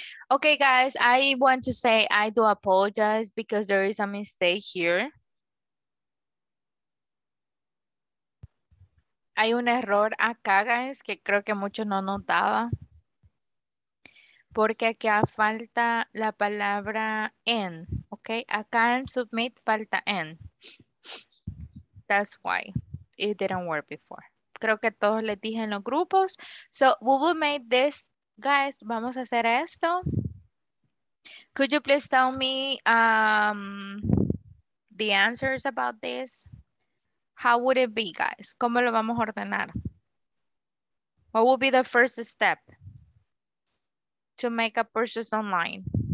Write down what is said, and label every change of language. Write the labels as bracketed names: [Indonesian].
[English] Okay, guys, I want to say I do apologize because there is a mistake here. [Spanish] Hay un error acá, guys, que creo que muchos no notaba. Porque aquí falta la palabra en. Okay, acá en submit falta en. [English] That's why it didn't work before. [Spanish] Creo que todos les dije en los grupos. [English] So we will make this, guys, [Spanish] vamos a hacer esto. [English] Could you please tell me the answers about this? How would it be, guys? [Spanish] ¿Cómo lo vamos a ordenar? [English] What would be the first step to make a purchase online?